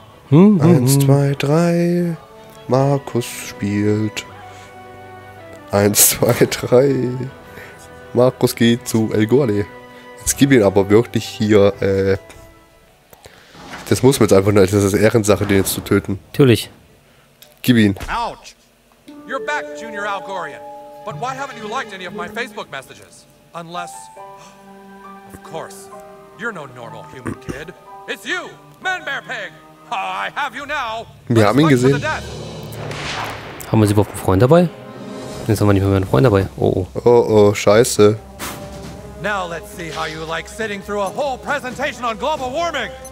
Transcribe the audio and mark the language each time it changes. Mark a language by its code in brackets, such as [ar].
[de] Eins, zwei, drei. Markus spielt. 1, 2, 3. Markus geht zu El Gore. Jetzt gib ihn aber wirklich hier. Das muss man jetzt einfach nur. Das ist Ehrensache, den jetzt zu töten. Natürlich. Gib ihn. Ouch! [en] You're back, Junior Algorian. But why haven't you liked any of my Facebook messages? Unless. Of course. You're no normal human kid. It's you, Man Bear Pig! I have you now. [de] Wir haben ihn gesehen. Haben wir sie überhaupt einen Freund dabei? Jetzt haben wir nicht mehr einen Freund dabei. Oh oh. Oh oh, scheiße. [en] Now let's see how you like sitting through a whole presentation on global warming.